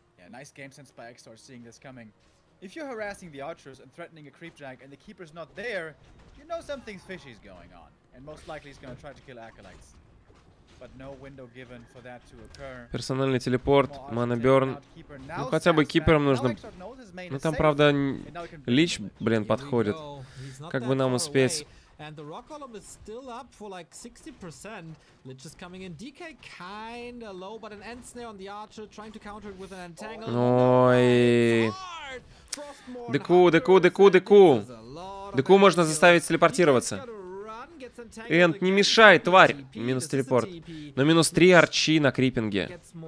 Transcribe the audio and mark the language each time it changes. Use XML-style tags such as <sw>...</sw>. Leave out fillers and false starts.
<en>Nice game sense by X-Lord seeing this coming. If you're harassing the archers and threatening a creep drag and the keeper's not there, you know something fishy is going on. And most likely he's going to try to kill acolytes. But no window given for that to occur.</en> <ru>Персональный телепорт, манаберн. Ну хотя бы кипером нужно. Ну там правда лич, блин, подходит. Как бы нам успеть?</ru> <en>And the rock column is still up for like 60%. Lich is coming in. DK kinda low, but an end snare on the archer, trying to counter it with an entangle.</en> <ru>Ой. Деку, деку, деку, деку. Деку можно заставить телепортироваться. Энд, не мешай, тварь. Минус телепорт. Но минус 3 арчи на крипинге.</ru>